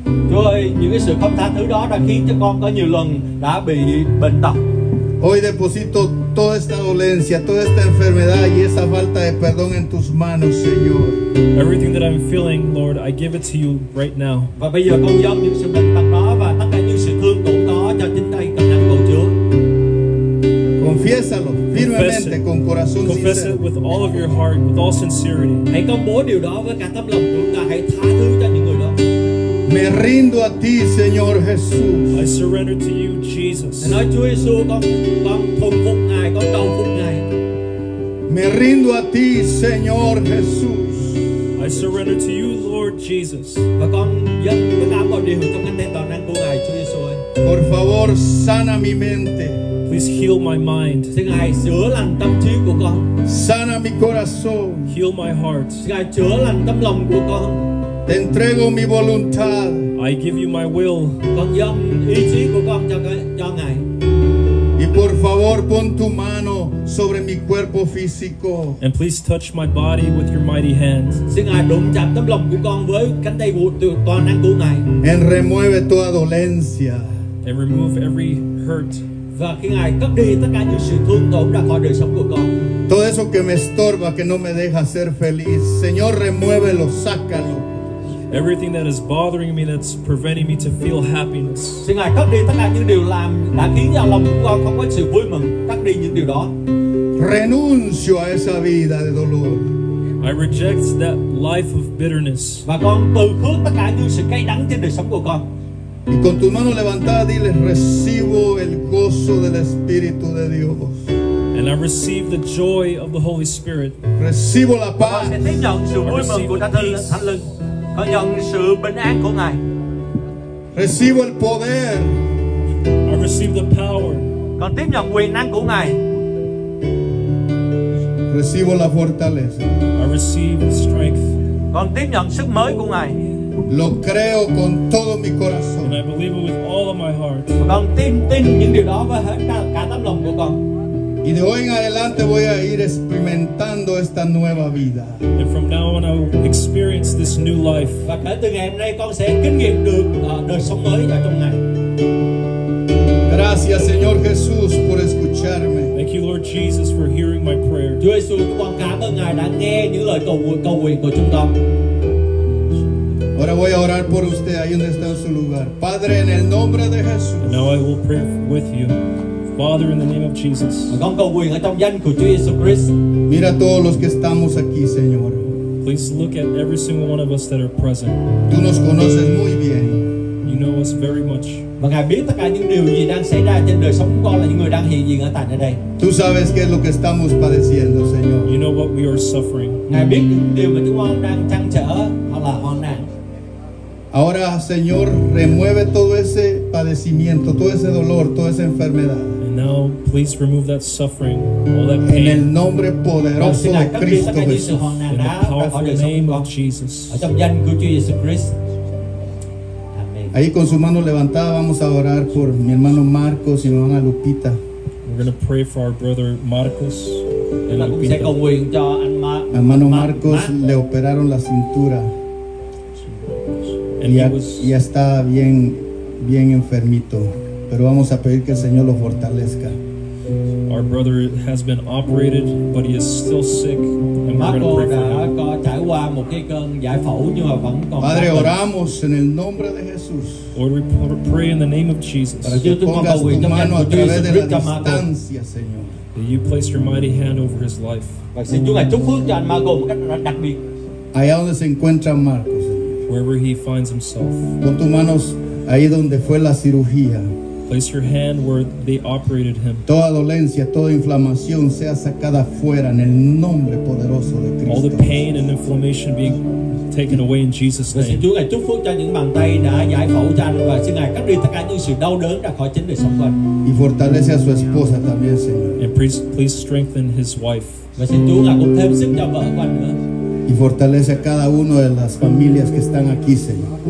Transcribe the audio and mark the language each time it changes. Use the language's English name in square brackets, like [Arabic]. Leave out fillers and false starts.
[Vietnamese] Chúa ơi, những cái sự không tha thứ đó đã khiến cho con có nhiều lần đã bị bệnh tật. [Spanish] Hoy deposito toda esta dolencia, toda esta enfermedad y esa falta de perdón en tus manos, Señor. [English] Everything that I'm feeling, Lord, I give it to you right now. [Vietnamese] Và bây giờ con dâng những sự bệnh tật đó và tất cả những sự thương tổn đó cho chính tay cá nhân của Chúa. [Spanish] Confiésalo firmemente, con corazón sincero. [English] Confess it with all of your heart, with all sincerity. [Vietnamese] Hãy công bố điều đó với cả tấm lòng chúng ta, hãy tha thứ cho những người đó. [Spanish] Me rindo a ti, Señor Jesús. [English] I surrender to you, Jesus. And I do so, [Vietnamese] con thuần phục Ngài, con cầu phục Ngài. [Spanish] Me rindo a ti, Señor Jesús. [English] I surrender to you, Lord. Lord Jesus. [Vietnamese] Và con dâng tất cả mọi điều trong anh em toàn năng của Ngài Chúa Giêsu. [Spanish] Por favor, sana mi mente. [English] Please heal my mind. [Vietnamese] Xin Ngài chữa lành tâm trí của con. [Spanish] Sana mi corazón. [English] Heal my heart. [Vietnamese] Xin Ngài chữa lành tâm lòng của con. [Spanish] Te entrego mi voluntad. [English] I give you my will. [Vietnamese] Con dâng ý chí của con cho Ngài. [Spanish] Y por favor, pon tu mano sobre mi cuerpo físico. [English] And please touch my body with your mighty hands. [Vietnamese] Xin Ngài đụng chạm tấm lòng của con với cánh tay toàn năng của Ngài. [Spanish] En remueve toda dolencia. [English] And remove every hurt. [Vietnamese] Và khi Ngài cất đi tất cả những sự thương tổn ra khỏi đời sống của con. [Spanish] Todo eso que me estorba, que no me deja ser feliz. Señor, remuévelo, sácalo. [English] Everything that is bothering me, that's preventing me to feel happiness. [Vietnamese] Xin Ngài cất đi tất cả những điều làm đã khiến cho lòng của con không có sự vui mừng. Cất đi những điều đó. [Spanish] Renuncio a esa vida de dolor. [English] I reject that life of bitterness. [Vietnamese] Và con từ phước tất cả những sự cay đắng trên đời sống của con. [Spanish] Y con tu mano levantada, dile, recibo el gozo del Espíritu de Dios. [English] And I receive the joy of the Holy Spirit. [Spanish] Recibo la paz. [Vietnamese] Con sẽ tiếp nhận sự vui mừng của Thánh Linh. Con nhận sự bình an của Ngài. [Spanish] Recibo el poder. [English] I receive the power. [Vietnamese] Con tiếp nhận quyền năng của Ngài. [Spanish] Recibo la fortaleza. [English] I receive the strength. [Vietnamese] Con tiếp nhận sức mới của Ngài. [Spanish] Lo creo con todo mi corazón. [English] And I believe it with all of my heart. [Vietnamese] Con tin những điều đó với cả tấm lòng của con. [Spanish] Y de hoy en adelante voy a ir experimentando esta nueva vida. [English] And from now on I will experience this new life. [Vietnamese] Và kể từ ngày hôm nay con sẽ kinh nghiệm được đời sống mới ở trong Ngài. [Spanish] Gracias, Señor Jesús, por escucharme. [English] Thank you, Lord Jesus, for hearing my prayer. [Vietnamese] Chúa Giêsu, con cảm ơn Ngài đã nghe những lời cầu nguyện của chúng con. [Spanish] Ahora voy a orar por usted ahí donde está en su lugar. Padre, en el nombre de Jesús. [English] And now I will pray with you. Father, in the name of Jesus. [Vietnamese] Con cầu nguyện ở trong danh của Chúa Jesus Christ. [Spanish] Mira todos los que estamos aquí, Señor. [English] Please look at every single one of us that are present. [Spanish] Tú nos conoces muy bien. [English] You know us very much. [Vietnamese] Và Ngài biết tất cả những điều gì đang xảy ra trên đời sống con là những người đang hiện diện ở tại đây. [Spanish] Tú sabes qué es lo que estamos padeciendo, Señor. [English] You know what we are suffering. [Vietnamese] Ngài biết những điều mà chúng con đang trăn trở hoặc là hoang mang. [Spanish] Ahora, Señor, remueve todo ese padecimiento, todo ese dolor, toda esa enfermedad. [English] And now, please remove that suffering, all that pain. [Spanish] En el nombre poderoso de Cristo Jesús. [English] In the powerful name of Jesus. Amen. [Spanish] Ahí con su mano levantada, vamos a orar por mi hermano Marcos y mi hermana Lupita. [English] We're going to pray for our brother Marcos and Lupita. [Spanish] Mi hermano Marcos le operaron la cintura. [English] And [Spanish] ya está bien, bien enfermito, pero vamos a pedir que el Señor lo fortalezca. [English] Our brother has been operated, but he is still sick, and we're going to pray for him. [Vietnamese] Trải qua một cái cơn giải phẫu nhưng mà vẫn còn. [Spanish] Padre, oramos en el nombre de Jesús. [English] Lord, we pray in the name of Jesus. [Spanish] Para que pongas tu mano a través de la distancia, Señor. [English] That you place your mighty hand over his life. [Vietnamese] Và xin Chúa ngài chúc phước cho anh Marco một cách đặc biệt. [Spanish] Allá donde se encuentra Marcos. [English] Wherever he finds himself. [Spanish] Pon tus manos ahí donde fue la cirugía. [English] Place your hand where they operated him. [Spanish] Toda dolencia, toda inflamación sea sacada fuera en el nombre poderoso de Cristo. [English] All the pain and inflammation being taken away in Jesus' name. [Vietnamese] Xin Chúa ngài chúc phước cho những bàn tay đã giải phẫu cho anh và xin ngài cắt đi tất cả những sự đau đớn ra khỏi chính đời sống anh. [Spanish] Y fortalece a su esposa también, Señor. [English] And please strengthen his wife. [Vietnamese] Và xin Chúa ngài cũng thêm sức cho vợ của anh nữa. [Spanish] Y fortalece a cada uno de las familias que están aquí, Señor.